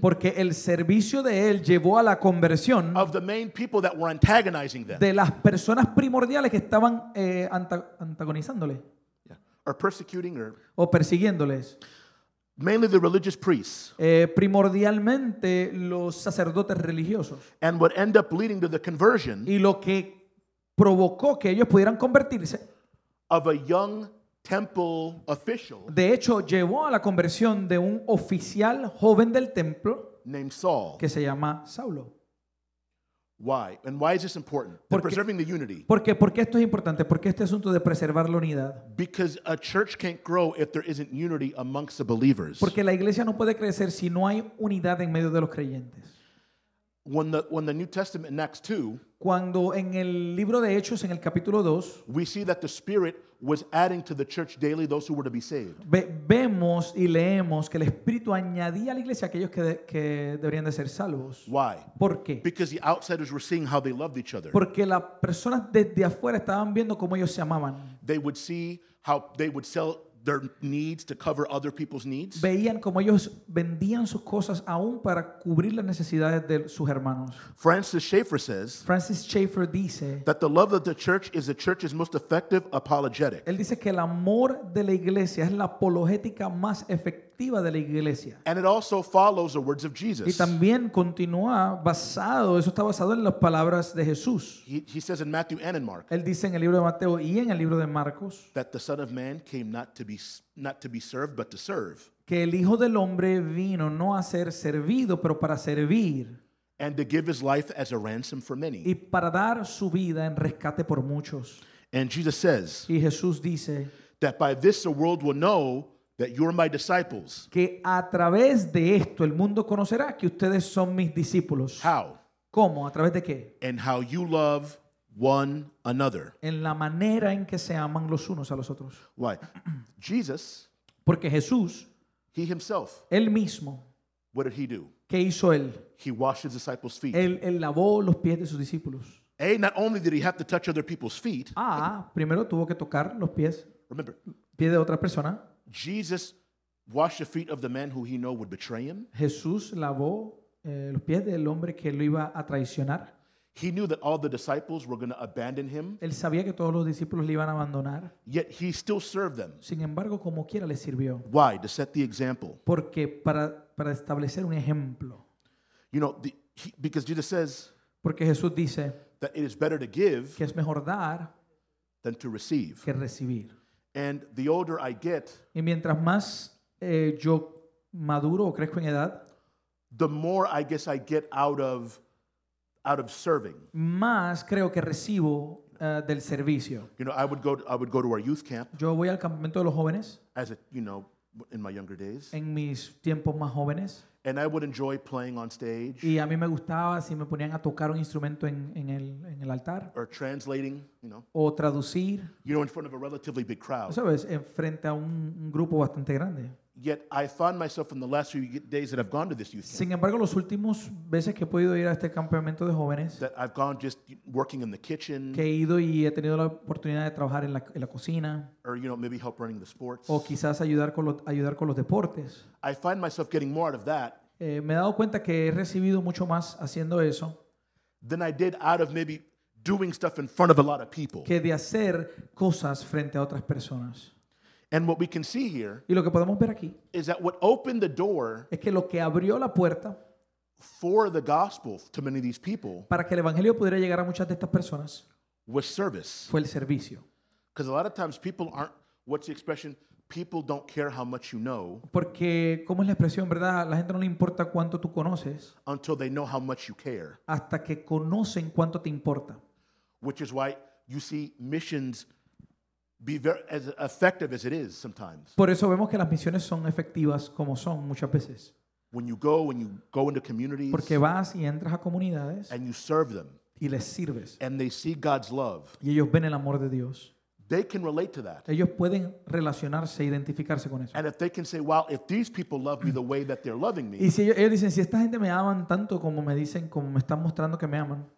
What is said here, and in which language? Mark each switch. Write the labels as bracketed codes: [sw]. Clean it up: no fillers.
[es] Porque el servicio de él llevó a la conversión. [en] Of the main people that were antagonizing them. [es] De las personas primordiales que estaban antagonizándole. [en] Yeah. Or persecuting her. [es] O persiguiéndoles. [en] Mainly the religious priests. [es] Primordialmente los sacerdotes religiosos. [en] And what ended up leading to the conversion. [es] Y lo que provocó que ellos pudieran convertirse. [en] Of a young temple official. [es] De hecho, llevó a la conversión de un oficial joven del templo. [en] named Saul. [es] Que se llama Saulo. [en] Why? And why is this important? [es] Porque, [en] preserving the unity. [es] Porque esto es importante, porque este asunto de preservar la unidad. [en] Because a church can't grow if there isn't unity amongst the believers. [es] Porque la iglesia no puede crecer si no hay unidad en medio de los creyentes. [en] When the New Testament in Acts 2, [es] cuando en el libro de Hechos en el capítulo 2, [en] we see that the Spirit was adding to the church daily those who were to be saved. [es] Vemos y leemos que el Espíritu añadía a la iglesia aquellos que deberían de ser salvos. [en] Why? [es] ¿Por qué? [en] Because the outsiders were seeing how they loved each other. [es] Porque las personas desde afuera estaban viendo cómo ellos se amaban. [en] They would see how they would sell their needs to cover other people's needs. [es] Veían como ellos vendían sus cosas aún para cubrir las necesidades de sus hermanos. [en] Francis Schaeffer says, [es] Francis Schaeffer dice, [en] that the love of the church is the church's most effective apologetic. [es] Él dice que el amor de la iglesia es la apologética más efectiva de la iglesia. [en] And it also follows the words of Jesus. [es] Y también continúa basado, eso está basado en las palabras de Jesús. [en] He says in Matthew and in Mark, [es] él dice en el libro de Mateo y en el libro de Marcos, [en] that the Son of Man came not to be served but to serve. [es] Que el Hijo del Hombre vino no a ser servido pero para servir. [en] And to give his life as a ransom for many. [es] Y para dar su vida en rescate por muchos. [en] And Jesus says, [es] y Jesús dice, [en] that by this the world will know that you are my disciples. [es] Que a través de esto el mundo conocerá que ustedes son mis discípulos. [en] How? [es] ¿Cómo? ¿A través de qué? [en] And how you love one another. [es] En la manera en que se aman los unos a los otros. [en] Why? Jesus. [es] Porque Jesús. [en] He himself. [es] Él mismo. [en] What did he do? [es] ¿Qué hizo él? [en] He washed his disciples' feet. [es] Él lavó los pies de sus discípulos. [en] A, not only did he have to touch other people's feet. [es] Primero tuvo que tocar los pies. [en] Remember. [es] Pie de otra persona. [en] Jesus washed the feet of the man who he knew would betray him. [es] Jesús lavó los pies del hombre que lo iba a traicionar. [en] He knew that all the disciples were going to abandon him. [es] Él sabía que todos los discípulos le iban a abandonar. [en] Yet he still served them. [es] Sin embargo, como quiera les sirvió. [en] Why? To set the example. [es] Porque para establecer un ejemplo. [en] You know, because Jesus says. [es] Porque Jesús dice. [en] That it is better to give. [es] Que es mejor dar. [en] Than to receive. [es] Que recibir. [en] And the older I get. [es] Y mientras más yo maduro o crezco en edad. [en] The more I guess I get out of serving. [es] Más creo que recibo del servicio. [en] You know, I would go to our youth camp. [es] Yo voy al campamento de los jóvenes. [en] As a, you know, in my younger days. [es] En mis tiempos más jóvenes. [en] And I would enjoy playing on stage. [es] Y a mí me gustaba si me ponían a tocar un instrumento en el altar. [en] Or translating, you know. [es] O traducir. [en] You know, in front of a relatively big crowd. [es] ¿Sabes? Enfrente a un grupo bastante grande. [en] Yet I found myself in the last few days that I've gone to this youth camp. [es] Sin embargo, los últimos veces que he podido ir a este campamento de jóvenes. [en] That I've gone just working in the kitchen. [es] Que he ido y he tenido la oportunidad de trabajar en la cocina. [en] Or you know, maybe help running the sports. [es] O quizás ayudar con los deportes. [en] I find myself getting more out of that. [es] Me he dado cuenta que he recibido mucho más haciendo eso. [en] Than I did out of maybe doing stuff in front of a lot of people. [es] Que de hacer cosas frente a otras personas. [en] And what we can see here, [es] y lo que podemos ver aquí, [en] is that what opened the door, [es] es que lo que abrió la puerta, [en] for the gospel to many of these people, [es] para que el evangelio pudiera llegar a muchas de estas personas, [en] was service. [es] Fue el servicio. [en] Because a lot of times people aren't, what's the expression? People don't care how much you know. [es] Porque cómo es la expresión, ¿verdad? La gente no le importa cuánto tú conoces. [en] Until they know how much you care. [es] Hasta que conocen cuánto te importa. [en] Which is why you see missions be very as effective as it is sometimes. [es] Por eso vemos que las misiones son efectivas como son muchas veces. [en] When you go into communities. [es] Porque vas y entras a comunidades. [en] And you serve them. [es] Y les sirves. [en] And they see God's love. [es] Y ellos ven el amor de Dios. [en] They can relate to that. [es] Ellos pueden relacionarse, identificarse con eso. [en] And if they can say, "Wow, if these people love me the way that they're loving me." [es] Y si ellos dicen, si esta gente me aman tanto como me dicen, como me están mostrando que me aman.